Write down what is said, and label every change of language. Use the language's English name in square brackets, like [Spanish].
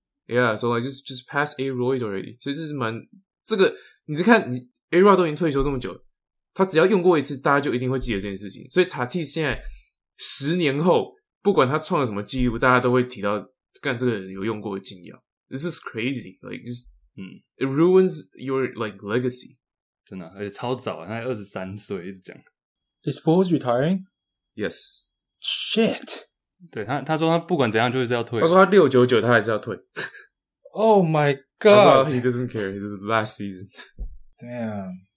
[English] Yeah, so like just pass A-Rod already. [Chinese] 所以这是蛮这个你是看你 A-Rod 都已经退休这么久了他只要用过一次大家就一定会记得这件事情。所以 Tatis 现在十年后不管他创了什么记录，大家都会提到干这个人有用过的禁药。 [English] This is crazy, like just, it ruins your like legacy. [Chinese] 真的，而且超早，他才23岁，一直讲。 [English] Is Bulls retiring? Yes. Shit. [Chinese] 对他说他不管怎样就是要退。他说他699他还是要退。 [English] Oh my god. [Chinese] 他说 [English] he doesn't care. This is the last season. Damn.